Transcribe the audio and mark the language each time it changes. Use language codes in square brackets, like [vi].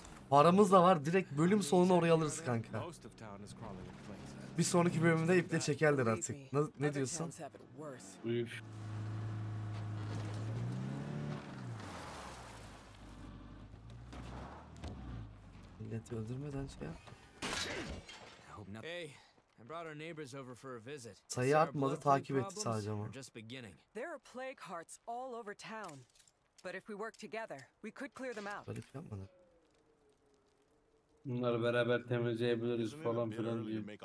[tr] Paramız da var, direkt bölüm sonunu oraya alırız kanka. Bir sonraki bölümde iple çekerler artık. Ne diyorsun? Uyuş. Milleti öldürmeden şey yap. [en] Hey, I brought our neighbors over for a visit. [tr] Sayı artmadı, takip etti sadece ama. [en] There are plague hearts all over town. But if we work together, we could clear them out. [tr] Garip yapma lan. Bunları beraber temizleyebiliriz falan filan diyor.